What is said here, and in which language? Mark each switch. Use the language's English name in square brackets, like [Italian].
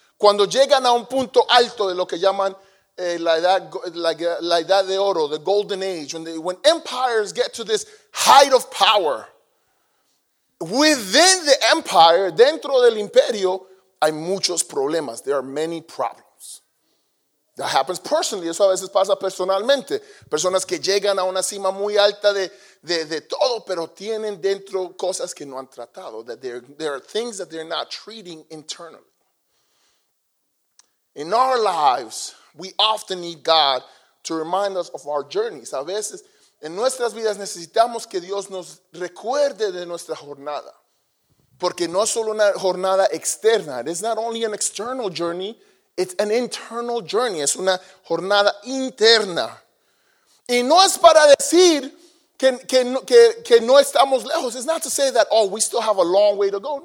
[Spanish] Cuando llegan a un punto alto de lo que llaman la edad de oro, [English] the golden age, when empires get to this height of power, within the empire, [Spanish] dentro del imperio, hay muchos problemas. [English] There are many problems. That happens personally. [Spanish] Eso a veces pasa personalmente. Personas que llegan a una cima muy alta de todo, pero tienen dentro cosas que no han tratado. [English] That there are things that they're not treating internally. In our lives, we often need God to remind us of our journeys. [Spanish] A veces, en nuestras vidas necesitamos que Dios nos recuerde de nuestra jornada. Porque no es solo una jornada externa. [English] It's not only an external journey. It's an internal journey. [Spanish] Es una jornada interna. Y no es para decir que no estamos lejos. [English] It's not to say that, oh, we still have a long way to go.